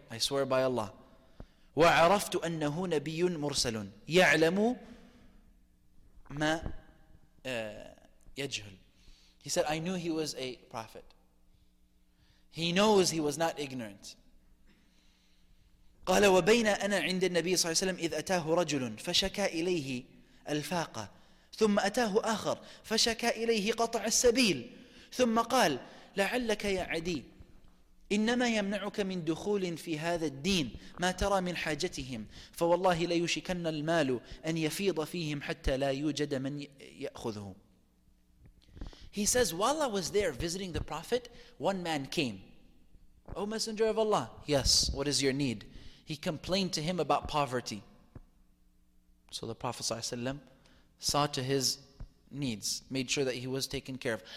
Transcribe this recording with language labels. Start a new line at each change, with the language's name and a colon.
English: I swear by Allah.
Arabic: وَعَرَفْتُ أَنَّهُ نَبِيٌّ مُرْسَلٌ يَعْلَمُ مَا يَجْهُلْ.
English: He said, I knew he was a prophet. He knows he was not ignorant.
Arabic: قَالَ وَبَيْنَ أَنَا عِنْدِ النَّبِيِّ صَلَّى اللَّهُ عَلَيْهِ وَسَلَّمْ إِذْ أَتَاهُ رَجُلٌ فَشَكَى إِلَيْهِ الْفَاقَ ثُمَّ أَتَاهُ آخَرٌ فَشَكَى إِلَيْهِ قَطَعَ السَّبِيلِ ثم قال لعلك يا عدي إنما يمنعك من دخول في هذا الدين ما ترى من حاجتهم فوالله لا يشكن المال أن يفيض فيهم حتى لا يوجد من يأخذه.
English: He says, while I was there visiting the Prophet, one man came. O Messenger of Allah, yes, what is your need? He complained to him about poverty. So the Prophet ﷺ saw to his needs, made sure that he was taken care of.